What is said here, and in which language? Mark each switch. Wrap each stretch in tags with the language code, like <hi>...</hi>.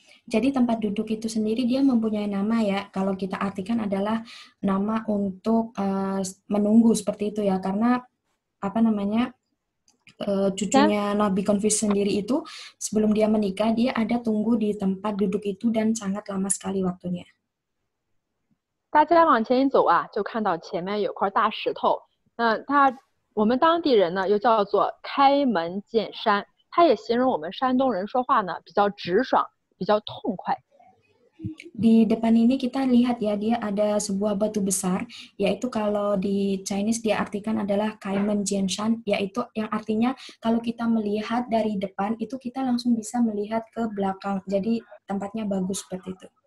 <id>Jadi tempat duduk itu sendiri dia mempunyai nama ya, kalau kita artikan adalah nama untuk menunggu seperti itu ya, karena apa namanya cucunya Nabi Konfusius sendiri itu sebelum dia menikah dia ada tunggu di tempat duduk itu dan sangat lama sekali waktunya.</id> <zh>大家往前一走啊，就看到前面有块大石头，那它。我们当地人呢又叫做开门见山，它也形容我们山东人说话呢比较直爽，比较痛快。</zh> <id>Di depan ini kita lihat ya, dia ada sebuah batu besar, yaitu kalau di Chinese dia artikan adalah Kaimen Jianshan, yaitu yang artinya kalau kita melihat dari depan itu kita langsung bisa melihat ke belakang, jadi tempatnya bagus seperti itu.</id>